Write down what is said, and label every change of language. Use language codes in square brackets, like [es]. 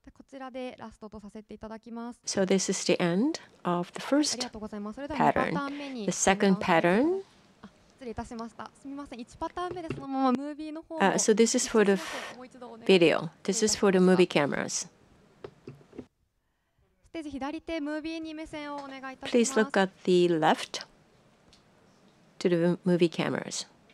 [ja] ちらでラストとさせていただきます。 [en] So this is the end of the first pattern. The second pattern. [ja] 失礼いたしました。すみません。 1パターン目でそのままムービーの方を。 [en] So this is for the video. This is for the movie cameras. [ja] ステージ左手ムービーに目線をお願いいたします。 [en] Please look at the left to the movie cameras.